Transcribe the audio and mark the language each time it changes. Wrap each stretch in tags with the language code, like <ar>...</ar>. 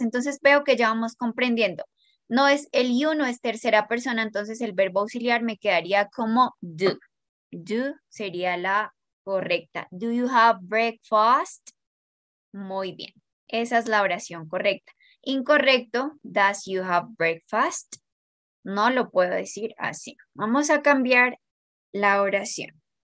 <es>Entonces veo que ya vamos comprendiendo. No es el you, no es tercera persona. Entonces el verbo auxiliar me quedaría como do. Do sería la correcta.</es> <en>Do you have breakfast?</en> <es>Muy bien. Esa es la oración correcta. Incorrecto.</es> <en>Does you have breakfast?</en> <es>No lo puedo decir así. Vamos a cambiar la oración.</es>